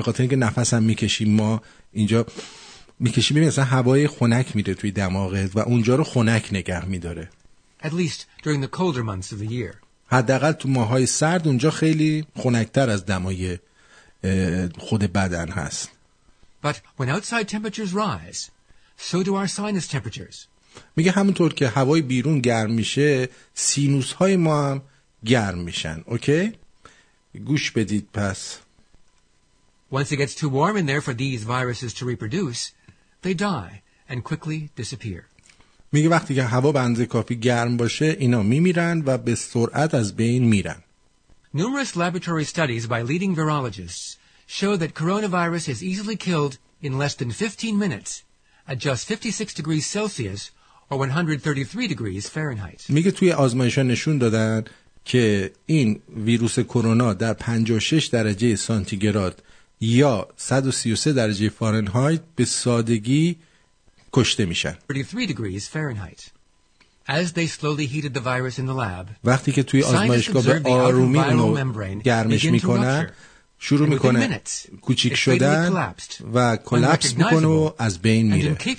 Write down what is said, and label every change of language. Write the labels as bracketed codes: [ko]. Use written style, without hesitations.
[fa] به خاطر اینکه نفس هم می‌کشیم ما اینجا می‌کشیم، ببین مثلا هوای خنک میره توی دماغت و اونجا رو خنک نگه می‌داره. [en] At least during the colder months of the year. [fa] حداقل تو ماه‌های سرد اونجا خیلی خنک‌تر از دمای خود بدن هست. [en] But when outside temperatures rise, so do our sinus temperatures. [fa] میگه همونطور که هوای بیرون گرم میشه، سینوس های ما هم گرم میشن. اوکی؟ گوش بدید پس. [en] Once it gets too warm in there for these viruses to reproduce, they die and quickly disappear. [fa] میگه وقتی که هوا به اندازه کافی گرم باشه، اینا میمیرن و به سرعت از بین میرن. [en] Numerous laboratory studies by leading virologists show that coronavirus is easily killed in less than 15 minutes. At just 56 degrees Celsius or 133 degrees Fahrenheit. [fa] میگه توی آزمایش‌ها نشون دادن که این ویروس کرونا در 56 درجه سانتیگراد یا 133 درجه فارنهایت به سادگی کشته میشن. [en] 33 degrees Fahrenheit. As they slowly heated the virus in the lab. [fa] وقتی که توی آزمایشگاه به آرومی اونو گرمش میکنن، شروع میکنه کوچیک شدن و کلاپس میکنه و از بین میره.